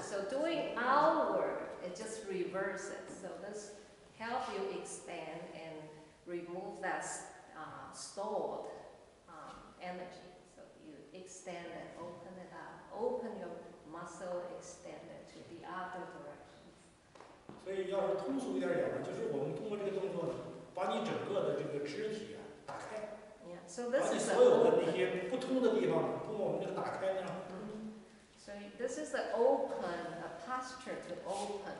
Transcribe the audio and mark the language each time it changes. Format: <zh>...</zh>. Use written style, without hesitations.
<en>So doing outward, it just reverses. So this help you expand and remove that stored energy. So you extend and open it up. Open your muscle, extend it to the other direction.</en> <zh>所以要是通俗一点讲呢，就是我们通过这个动作呢，把你整个的这个肢体啊打开。Yeah.</zh> <en>So this is</en> <zh>把你所有的那些不通的地方，通过我们这个打开呢。So</zh> <en>this is the open, a posture to open.</en>